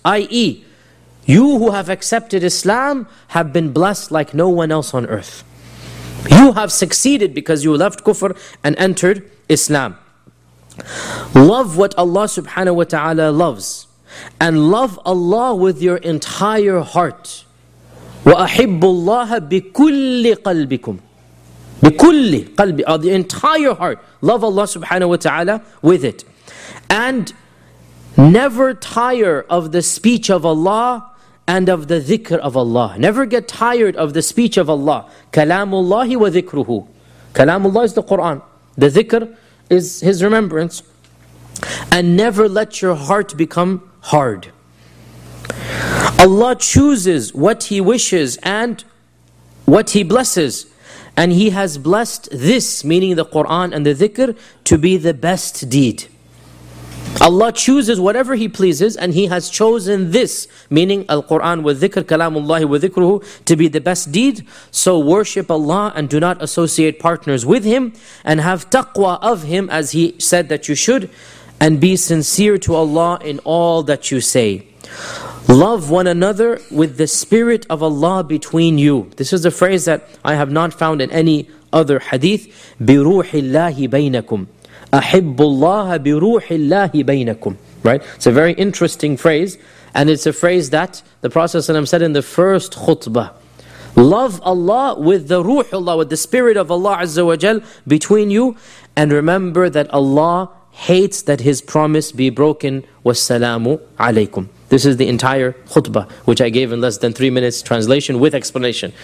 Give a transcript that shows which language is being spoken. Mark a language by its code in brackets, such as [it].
[en] I.e., you who have accepted Islam have been blessed like no one else on earth. You have succeeded because you left kufr and entered Islam. Love what Allah subhanahu wa ta'ala loves. And love Allah with your entire heart. [ar] وَأَحِبُّ اللَّهَ بِكُلِّ قَلْبِكُمْ بِكُلِّ قَلْبِ [en] The entire heart. Love Allah subhanahu wa ta'ala with it. And never tire of the speech of Allah and of the dhikr of Allah. Never get tired of the speech of Allah. [ar] كَلَامُ اللَّهِ وَذِكْرُهُ كَلَامُ اللَّهِ [en] is the Qur'an. The dhikr is His remembrance. And never let your heart become hard. Allah chooses what He wishes and what He blesses. And He has blessed this, meaning the Qur'an and the dhikr, to be the best deed. Allah chooses whatever He pleases, and He has chosen this, meaning Al-Qur'an wa dhikr, kalamullahi wa dhikruhu, to be the best deed. So worship Allah and do not associate partners with Him, and have taqwa of Him as He said that you should, and be sincere to Allah in all that you say. Love one another with the spirit of Allah between you. This is a phrase that I have not found in any other hadith. [ar] بِرُوحِ اللَّهِ بَيْنَكُمْ أَحِبُّ اللَّهَ بِرُوحِ اللَّهِ بَيْنَكُمْ Right? [en] It's a very interesting phrase. And it's a phrase that the Prophet ﷺ said in the first khutbah. Love Allah with the ruhullah, with the spirit of Allah Azza wa Jal between you. And remember that Allah hates that His promise be broken. [ar] وَالسَّلَامُ عَلَيْكُمْ [en] This is the entire khutbah, which I gave in less than 3 minutes translation with explanation.